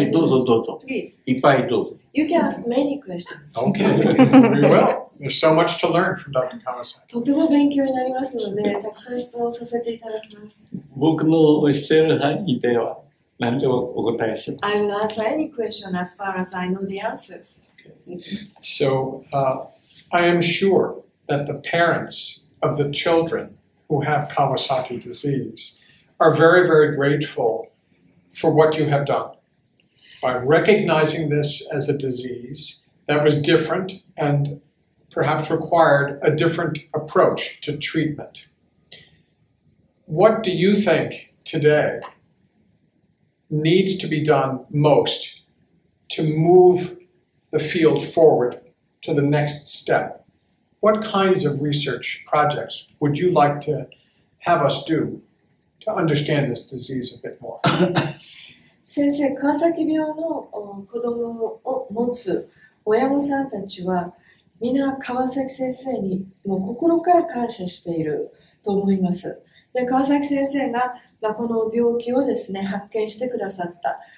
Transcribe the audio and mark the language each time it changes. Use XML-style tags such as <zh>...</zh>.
<ja>してください。はい、どうぞどうぞ。</ja> <en>Please.</en> <ja>いっぱいどうぞ。</ja> <en>You can ask many questions. Okay, very well. There's so much to learn from Dr. Kawasaki.</en> <ja>とても勉強になりますので、たくさん質問させていただきます。僕の教える範囲では何でもお答えします。</ja> <en>I will answer any question as far as I know the answers. So, I am sure that the parents of the children who have Kawasaki disease are very, very grateful for what you have done by recognizing this as a disease that was different and perhaps required a different approach to treatment. What do you think today needs to be done most to move the field forward to the next step? What kinds of research projects would you like to have us do? To understand this disease a bit more.</en> <ja>先生、川崎病の子供を持つ親御さんたちは、みんな川崎先生にもう心から感謝していると思います。で、川崎先生が、まあ、この病気をですね、発見してくださった。</ja>